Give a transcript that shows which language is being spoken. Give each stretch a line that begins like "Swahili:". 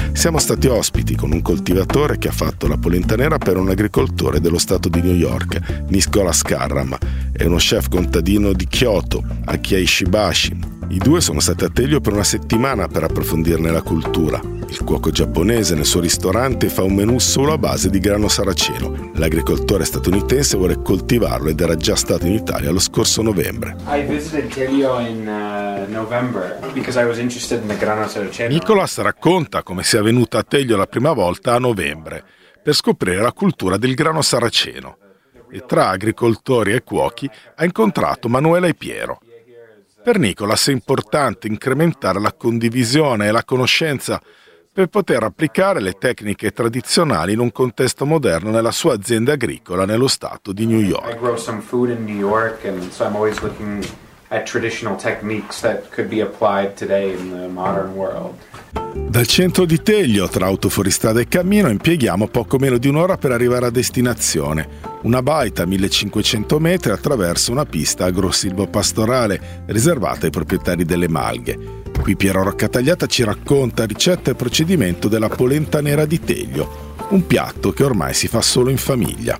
Italian: Siamo stati ospiti con un coltivatore che ha fatto la polenta nera per un agricoltore dello stato di New York, Niscola Scarram, e uno chef contadino di Kyoto, Akiya Ishibashi. I due sono stati a Teglio per una settimana per approfondirne la cultura. Il cuoco giapponese nel suo ristorante fa un menù solo a base di grano saraceno. L'agricoltore statunitense vuole coltivarlo ed era già stato in Italia lo scorso novembre.
English: I visited Teglio in November because I was interested in the grano saraceno.
Italian: Nicolas racconta come sia venuto a Teglio la prima volta a novembre per scoprire la cultura del grano saraceno. E tra agricoltori e cuochi ha incontrato Manuela e Piero. Per Nicolas è importante incrementare la condivisione e la conoscenza per poter applicare le tecniche tradizionali in un contesto moderno nella sua azienda agricola nello stato di New York.
English: I grow some food in New York and so I'm always looking at traditional techniques that could be applied today in the modern world.
Italian: Dal centro di Teglio, tra autoforistrada e cammino, impieghiamo poco meno di un'ora per arrivare a destinazione. Una baita a 1500 metri attraverso una pista agrosilvopastorale riservata ai proprietari delle malghe. Qui Piero Roccatagliata ci racconta ricetta e procedimento della polenta nera di Teglio, un piatto che ormai si fa solo in famiglia.